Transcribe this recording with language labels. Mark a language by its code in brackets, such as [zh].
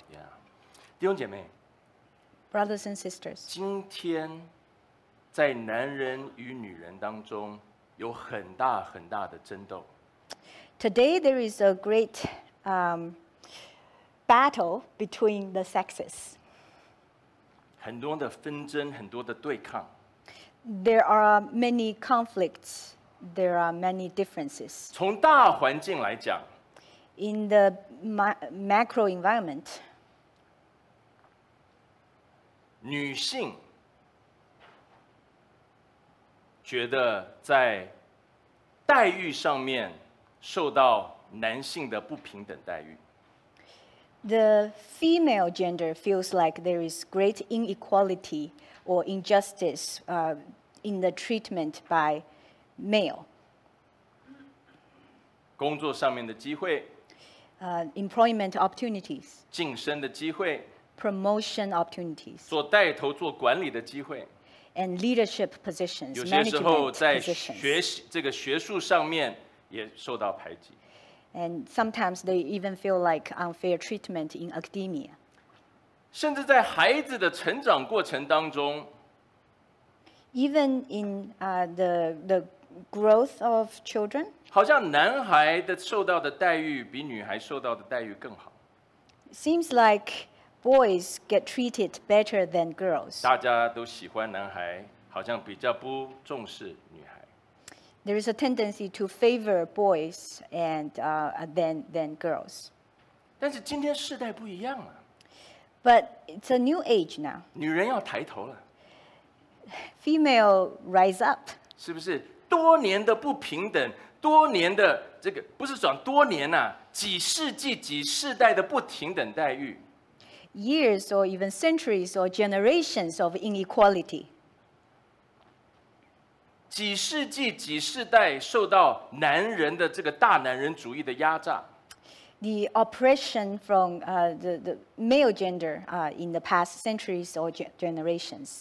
[zh] Yeah. 弟兄姐妹。 [en] Brothers and sisters, [zh] 今天在男人与女人当中有很大很大的争斗。 [en] Today there is a great battle between the sexes. [zh] 很多的纷争，很多的对抗。 [en] There are many conflicts. There are many differences. [zh] 从大环境来讲 [en] ，in the macro environment. [zh] 女性觉得在待遇上面受到男性的不平等待遇。 [en] The female gender feels like there is great inequality or injustice, in the treatment by male. [zh] 工作上面的机会。 [en] Employment opportunities. [zh] 晋升的机会。 [en] Promotion opportunities, [zh] 做带头做管理的机会 [en] and leadership positions. [zh] 有些时候在学习这个学术上面也受到排挤 [en] and sometimes they even feel like unfair treatment in academia. [zh] 甚至在孩子的成长过程当中 [en] even in the growth of children, [zh] 好像男孩的受到的待遇比女孩受到的待遇更好 [en] seems likeBoys get treated better than girls. [zh] 大家都喜欢男孩，好像比较不重视女孩。 [en] There is a tendency to favor boys and than girls. [zh] 但是今天世代不一样了。 [en] But it's a new age now. [zh] 女人要抬头了。 [en] Female rise up. [zh] 是不是多年的不平等，多年的这个不是讲多年呐、啊，几世纪、几世代的不平等待遇。 [en] Years or even centuries or generations of inequality. [zh] 几世纪几世代受到男人的这个大男人主义的压榨。 [en] The oppression from the male gender in the past centuries or generations.